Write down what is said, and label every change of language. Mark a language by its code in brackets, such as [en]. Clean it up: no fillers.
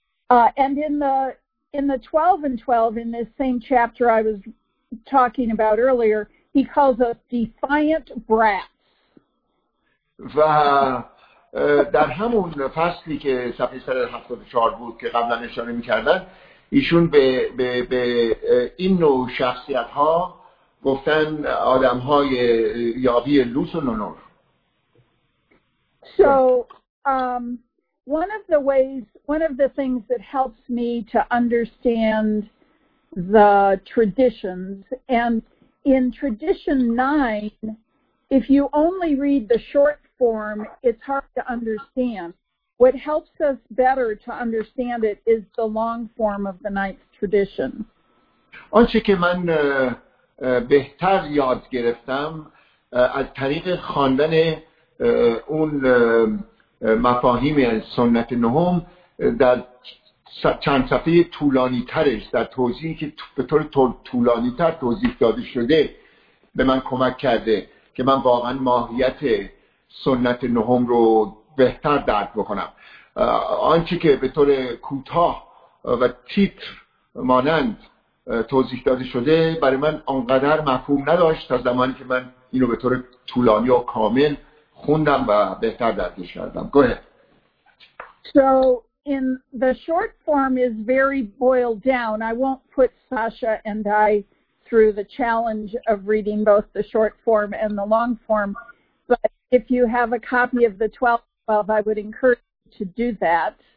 [en] And in the 12 and 12 in this same chapter I was talking about earlier, he calls us defiant brats. [fa] و در همون فصلی که صفحه 174 بود که قبلا اشاره می‌کردن ایشون به این نوع شخصیت ها گفتن آدم های یاوی لوس و نونور. [en] So one of the things that helps me to understand the traditions, and in tradition 9, if you only read the short form, it's hard to understand. What helps us better to understand it is the long form of the ninth tradition. [fa] آنچه که من بهتر یاد گرفتم از طریق خواندن اون مفاهیم سنت نهم در چند صفحه طولانی ترش در توضیحی که به طور طولانی تر توضیح داده شده به من کمک کرده که من واقعا ماهیت سنت نهم رو بهتر درک بکنم. آنچه که به طور کوتاه و تیتر مانند توضیح داده شده برای من آنقدر مفهوم نداشت تا زمانی که من اینو به طور طولانی و کامل خوندم و بهتر درکش کردم. [en] Go ahead. So in the short form is very boiled down. I won't put Sasha and I through the challenge of reading both the short form and the long form. But if you have a copy of the 12, I would encourage you to do that.